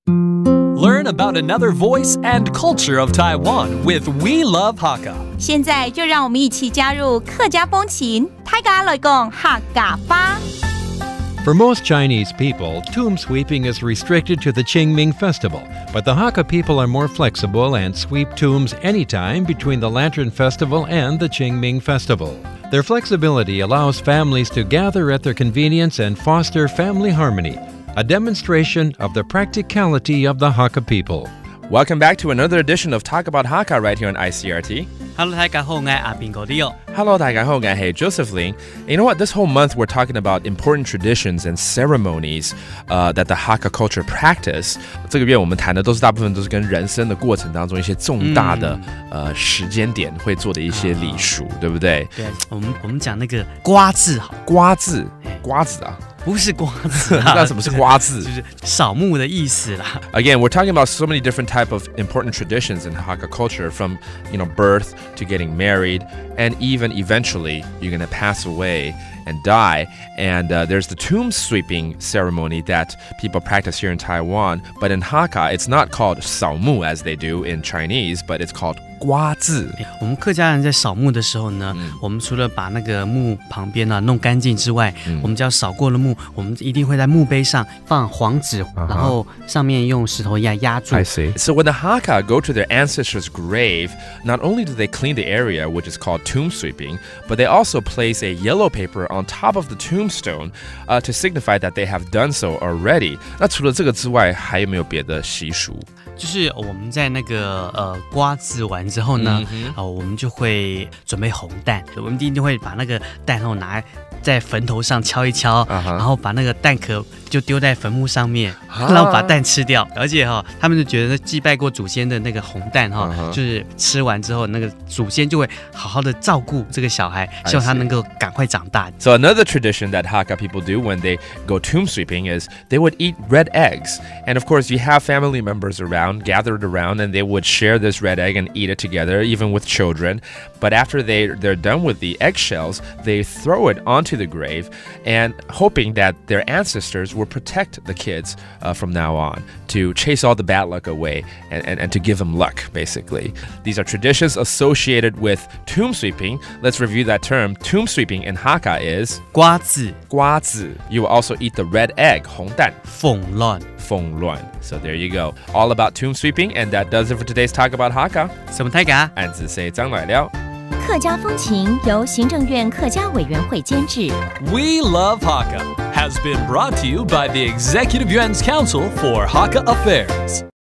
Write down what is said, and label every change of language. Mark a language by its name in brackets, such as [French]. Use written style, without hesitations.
[English] learn about another voice and culture of Taiwan with We Love Hakka. [Chinese] 现在就让我们一起加入客家风情，泰嘎来讲客家吧。 [English] For most Chinese people, tomb sweeping is restricted to the Qingming Festival, but the Hakka people are more flexible and sweep tombs anytime between the Lantern Festival and the Qingming Festival. Their flexibility allows families to gather at their convenience and foster family harmony, a demonstration of the practicality of the Hakka people. Welcome back to another edition of Talk About Hakka right here on ICRT. [Chinese] Hello, 大家好，我是阿斌哥的哟。 [English] Hello, [Chinese] 大家好，我是 [English] Joseph Lin. You know what? This whole month, we're talking about important traditions and ceremonies, that the Hakka culture practice. [Chinese] 这个月我们谈的都是大部分都是跟人生的过程当中一些重大的、时间点会做的一些礼俗、对不对？对，我们讲那个瓜子好，瓜子，瓜子啊。不是瓜子、啊、那什么是瓜子就是扫墓的意思啦 [English] Again, we're talking about so many different type of important traditions in Hakka culture from, you know, birth to getting married and even eventually you're going to pass away and die and、there's the tomb sweeping ceremony that people practice here in Taiwan but in Hakka, it's not called 扫墓 as they do in Chinese but it's called 瓜子、 [Chinese] 欸、我们客家人在扫墓的时候呢、我们除了把那个墓旁边、弄干净之外、我们只要扫过了墓我们一定会在墓碑上放黄纸、然后上面用石头压住 [English] I see So when the Hakka go to their ancestors' grave not only do they clean the area which is called tomb sweeping but they also place a yellow paperon top of the tombstone、to signify that they have done so already. [Chinese] 那除了这个之外还有没有别的习俗就是我们在那个、瓜子完之后呢、我们就会准备红蛋我们一定会把那个蛋后拿在坟头上敲一敲、然后把那个蛋壳就丢在坟墓上面、然后把蛋吃掉而且、他们就觉得那祭拜过祖先的那个红蛋、就是吃完之后那个祖先就会好好的照顾这个小孩希望他能够赶快长大 [English] So another tradition that Hakka people do when they go tomb sweeping is they would eat red eggs and of course you have family members around gathered around and they would share this red egg and eat it together even with children but after they're done with the eggshells they throw it onto the grave and hoping that their ancestors will protect the kids、from now on to chase all the bad luck away and to give them luck basically these are traditions associated with tomb sweeping let's review that term tomb sweeping in Hakka is [Chinese] 瓜子瓜子 [English] you will also eat the red egg [Chinese] 红蛋凤卵凤卵 [English] so there you go all about tomb sweeping and that does it for today's talk about Hakka [Chinese] 什么泰嘎暗自说张来了客家风情由行政院客家委员会监制 [English] We Love Hakka has been brought to you by the Executive Yuan's Council for Hakka Affairs.